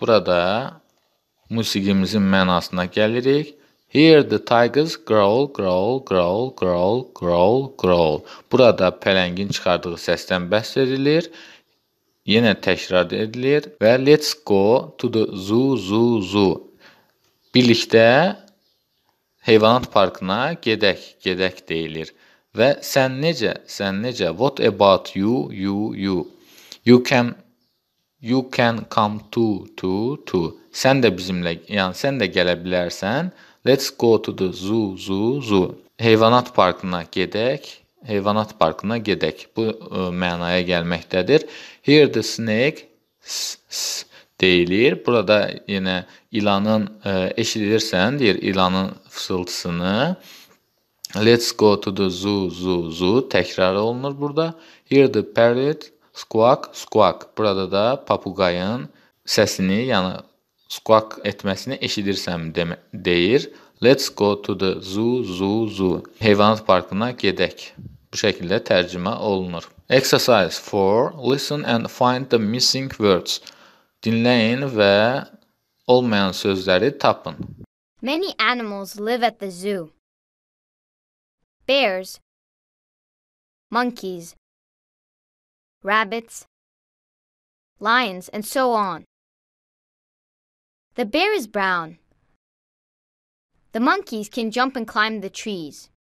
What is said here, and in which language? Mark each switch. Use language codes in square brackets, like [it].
[az] Burada musiqimizin mənasına gəlirik. [en] Hear the tigers growl, growl, growl, growl, growl, growl. [az] Burada pələngin çıxardığı səsdən bəhs edilir. Yenə təkrar edilir. Və [en] let's go to the zoo, zoo, zoo. [az] Birlikdə heyvanat parkına gedək, gedək deyilir. Və sən necə, sən necə? [en] What about you, you, you? You can come too, too, too. [az] Sən də bizimlə, yəni sən də gələ bilərsən. [en] Let's go to the zoo, zoo, zoo. [az] Heyvanat parkına gedək, heyvanat parkına gedək. Bu mənaya gəlməkdədir. [en] Here the snake, [az] s-s deyilir. Burada yenə ilanın, eşidirsən, deyir ilanın fısıltısını. [en] Let's go to the zoo, zoo, zoo. [az] Təkrar olunur burada. [en] Here the parrot, squawk, squawk. [az] Burada da papuqayın səsini, yəni squawk etməsini eşidirsəm deyir. [en] Let's go to the zoo, zoo, zoo. [az] Heyvanat parkına gedək. Bu şəkildə tərcümə olunur. [en] Exercise 4. Listen and find the missing words. [az] Dinləyin və olmayan sözləri tapın. [en] Many animals live at the zoo. Bears, monkeys, rabbits, lions, and so on. The bear is brown. The monkeys can jump and climb the trees.